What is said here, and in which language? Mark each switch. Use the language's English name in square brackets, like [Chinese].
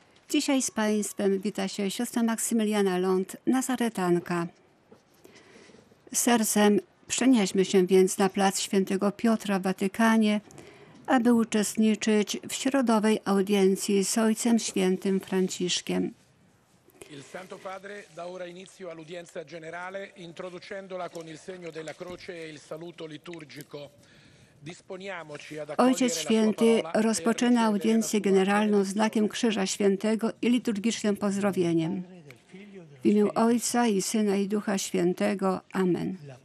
[Polish] Dzisiaj z Państwem wita się siostra Maksymiliana Ląd, Nazaretanka. Sercem przenieśmy się więc na plac świętego Piotra w Watykanie, aby uczestniczyć w środowej audiencji z Ojcem Świętym Franciszkiem. [Italian] Il Santo Padre da ora inizio all'udienza generale, introducendola con il segno della croce e il saluto liturgico. Disponiamoci ad accogliere. [Polish] Ojciec Święty rozpoczyna audiencję generalną znakiem Krzyża Świętego i liturgicznym pozdrowieniem. W imię Ojca i Syna i Ducha Świętego. Amen.